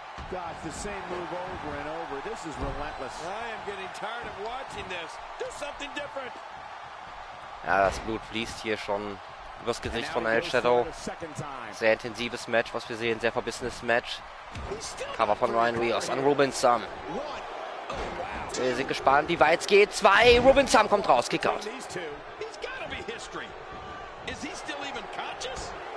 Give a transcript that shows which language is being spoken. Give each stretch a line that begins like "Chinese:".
English: Gosh, the same move over and over. This is relentless. I am getting tired of watching this. Do something different.
German: Ja, das Blut fließt hier schon übers Gesicht von El Shadow. Sehr intensives Match, was wir sehen. Sehr verbissenes Match. Cover von Ryan Ryos an Rubensam. Wir sind gespannt, wie weit es geht. Zwei. Rubensam kommt raus. Kickout.
English: He's got to be history. Is he still even conscious?